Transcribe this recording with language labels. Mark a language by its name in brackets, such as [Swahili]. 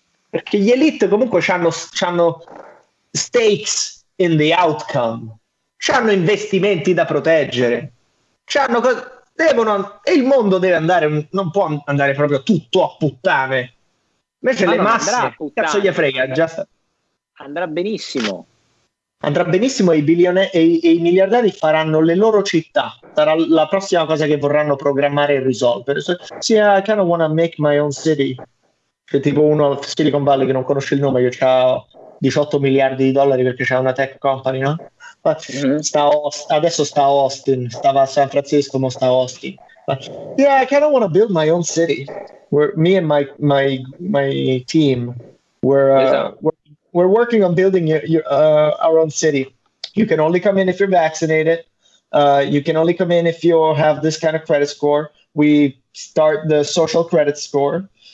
[Italian] Perché gli elite comunque c'hanno [English] stakes in the outcome, [Italian] c'hanno investimenti da proteggere, il mondo deve andare, non può andare proprio tutto a puttane. Invece le masse, cazzo gli frega, andrà benissimo. Andrà benissimo e i miliardari faranno le loro città, sarà la prossima cosa che vorranno programmare e risolvere. Sì, [English] I kind of wanna make my own city. [Italian] C'è tipo uno al Silicon Valley che non conosce il nome, io c'ho 18 miliardi di dollari perché c'è una tech company, no? Adesso sta a Austin, stava a San Francisco, ma sta a Austin. [English] But, yeah, I kind of want to build my own city. Me and my team, we're working on building our own city. You can only come in if you're vaccinated. You can only come in if you have this kind of credit score. We start the social credit score.